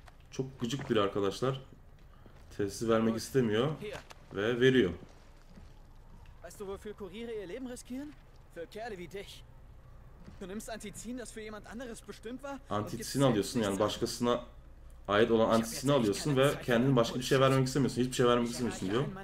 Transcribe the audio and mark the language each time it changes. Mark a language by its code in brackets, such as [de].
[tr] Çok gıcık biri arkadaşlar. Telsizi vermek istemiyor ve veriyor. [de] Weißt du, wofür Kuriere ihr Leben riskieren? Für Kerle wie dich. Du nimmst Antizin, das für jemand anderes bestimmt war. [tr] Antizin alıyorsun, yani başkasına ait olan antizin alıyorsun ve kendin başka bir şey vermek istemiyorsun. Hiçbir şey vermek istemiyorsun diyor.